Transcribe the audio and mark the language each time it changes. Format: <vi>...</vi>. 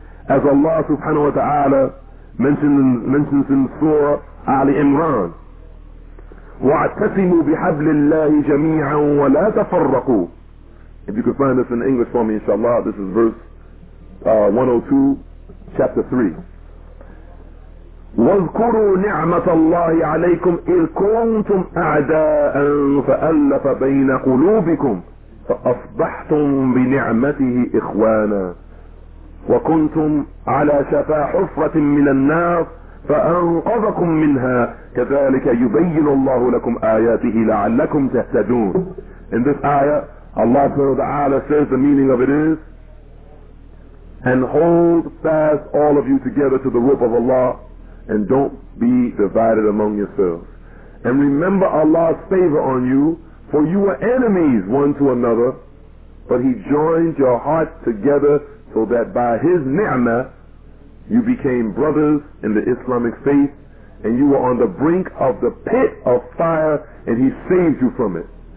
<en>As Allah subhanahu wa ta'ala mentions in Surah Ali Imran,</en> <ar>وَاعْتَصِمُوا بِحَبْلِ اللَّهِ جَمِيعًا وَلَا تَفَرَّقُوا.</ar> <en>If you could find this in English for me, inshallah, this is verse 102, chapter 3.</en> <ar>واذكروا نعمة الله عليكم إذ كنتم أعداء فألف بين قلوبكم فأصبحتم بنعمته إخوانا وكنتم على شفا حفرة من النار فأنقذكم منها كذلك يبين الله لكم آياته لعلكم تهتدون.</ar> <en>In this ayah, Allah subhanahu wa ta'ala says the meaning of it is, and hold fast all of you together to the rope of Allah, and don't be divided among yourselves. And remember Allah's favor on you, for you were enemies one to another, but He joined your hearts together so that by His ni'mah, you became brothers in the Islamic faith, and you were on the brink of the pit of fire, and He saved you from it.</en>